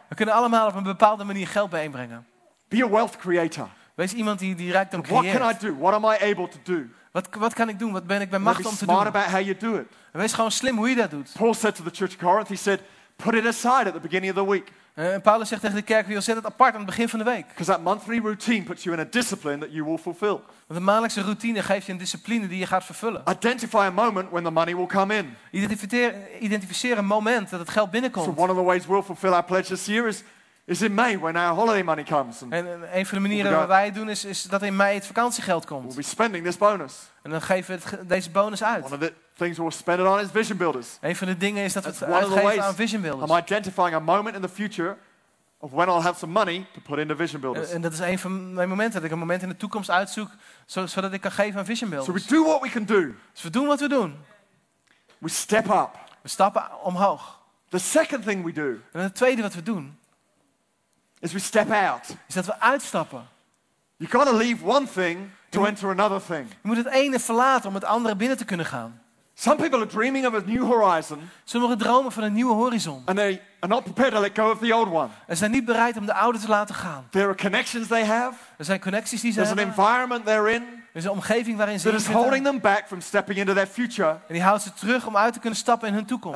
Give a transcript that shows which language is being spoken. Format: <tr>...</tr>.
<nl>We kunnen allemaal op een bepaalde manier geld bijeenbrengen.</nl> <en>Be a wealth creator.</en> <nl>Wees iemand die die rijkdom creëert.</nl> <en>What can I do? What am I able to do?</en> <nl>Wat kan ik doen? Wat ben ik bij macht om te doen?</nl> <en>Be smart about how you do it.</en> <nl>En wees gewoon slim hoe je dat doet.</nl> <en>Paul said to the church of Corinth, he said, put it aside at the beginning of the week.</en> <nl>En Paulus zegt tegen de kerk, wil zet het apart aan het begin van de week.</nl> <en>Because that monthly routine puts you in a discipline that you will fulfill.</en> <nl>Want de maandelijkse routine geeft je een discipline die je gaat vervullen.</nl> <en>Identify a moment when the money will come in.</en> <nl>Identificeer een moment dat het geld binnenkomt.</nl> <en>So one of the ways we'll fulfill our pledge this year is in May when our holiday money comes.</en> <nl>En een van de manieren waar wij doen is dat in mei het vakantiegeld komt.</nl> <en>We'll be spending this bonus.</en> <nl>En dan geven we deze bonus uit.</nl> <en>One of the things we'll spend it on is vision builders.</en> <nl>Een van de dingen is dat we het uitgeven aan vision builders.</nl> <en>I'm identifying a moment in the future of when I'll have some money to put into vision builders.</en> <nl>En dat is een van mijn momenten dat ik een moment in de toekomst uitzoek zodat ik kan geven aan vision builders.</nl> <en>So we do what we can do.</en> <nl>Dus we doen wat we doen.</nl> <en>We step up.</en> <nl>We stappen omhoog.</nl> <en>The second thing we do.</en> <nl>En het tweede wat we doen.</nl> <en>Is we step out.</en> <nl>Is dat we uitstappen.</nl> <en>You gotta leave one thing to enter another thing.</en> <nl>Je moet het ene verlaten om het andere binnen te kunnen gaan.</nl> <en>Some people are dreaming of a new horizon.</en> <nl>Sommigen dromen van een nieuwe horizon.</nl> <en>And they are not prepared to let go of the old one.</en> <nl>En zijn niet bereid om de oude te laten gaan.</nl> <en>There are connections they have.</en> <nl>Er zijn connecties die ze hebben.</nl> <en>There's an environment they're in.</en> <nl>Er is een omgeving waarin ze zitten.</nl> <en>That is holding them back from stepping into their future.</en> <nl>En die houdt ze terug om uit te kunnen stappen in hun toekomst.</nl>